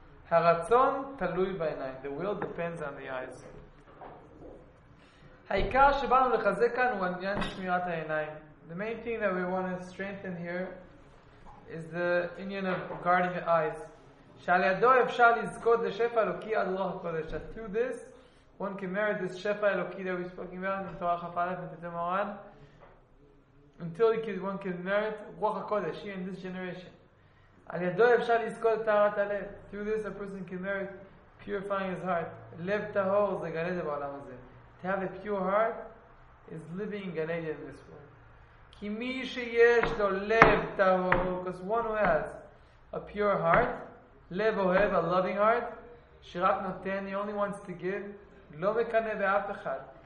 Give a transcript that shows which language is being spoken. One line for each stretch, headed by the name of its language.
Hebrew: הרצון תלוי בעיניים.
English: The will depends on the eyes.
Hebrew: העיקר שבאנו לחזק כאן הוא עניין שמירת העיניים.
English: The main thing that we want to strengthen here is the union of guarding the eyes.
Hebrew: שעל ידו אפשר לזכות לשפע אלוקי עד רוח הקודש.
English: Through this, one can merit this שפע אלוקי that we spoke about in Torah Chafalet and Tete Moran until one can merit רוח הקודש here in this generation.
Hebrew: על ידו אפשר לזכות את טהרת הלב.
English: Through this, a person can merit purifying his heart.
Hebrew: לב טהור זה גן עדן בעולם הזה.
English: To have a pure heart is living in Gan Eden in this world.
Hebrew: Ki mi sheyesh lo lev tahor,
English: because one who has a pure heart,
Hebrew: lev ohev,
English: a loving heart,
Hebrew: shirat noten,
English: he only wants to give,
Hebrew: lo mekaneh ve'af echad.